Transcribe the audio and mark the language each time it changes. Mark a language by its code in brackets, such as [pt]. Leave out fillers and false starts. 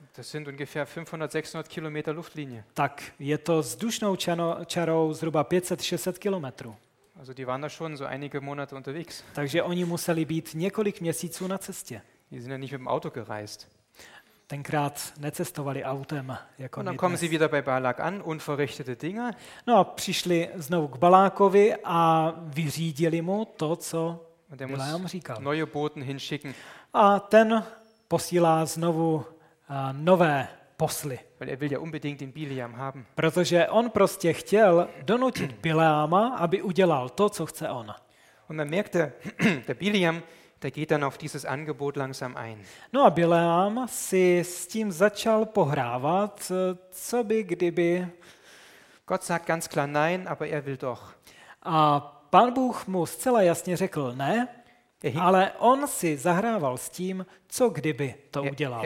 [de] das sind ungefähr 500-600 Kilometer Luftlinie. [cs] Tak je to vzdušnou čarou zhruba 500-600 kilometrů. [de] Also die waren da schon so einige Monate unterwegs. [cs] Takže oni museli být několik měsíců na cestě. [de] Die sind ja nicht mit dem Auto gereist. [cs] Tenkrát necestovali autem, jako dnes. [de] Dann kommen sie wieder bei Balak an, unverrichtete Dinge. [cs] No a přišli znovu k Balákovi a vyřídili mu to, co Bileam říkal. [de] Neue Boten hinschicken. [cs] A ten posílá znovu nové posly. [de] Weil er will ja unbedingt den Bileam haben. [cs] Protože on prostě chtěl donutit Bileama, aby udělal to, co chce on. [de] Und dann merkte der Bileam, der geht dann auf dieses Angebot langsam ein. [cs] No a Bileam si s tím začal pohrávat, co by kdyby. [de] Gott sagt ganz klar nein, aber er will doch. [cs] A pán Bůh mu zcela jasně řekl ne, ale on si zahrával s tím, co kdyby to udělal.